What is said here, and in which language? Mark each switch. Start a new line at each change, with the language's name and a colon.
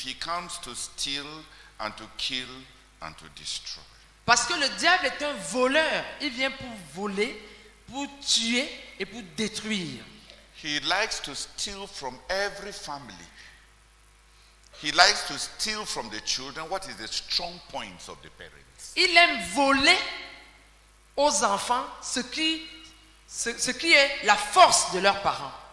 English: He comes to steal and to kill and to destroy.
French: Parce que le diable est un voleur. Il vient pour voler, pour tuer et pour détruire.
English: He likes to steal from every family. He likes to steal from the children. What is the strong points of the parents?
French: Il aime voler aux enfants ce qui est la force de leurs parents.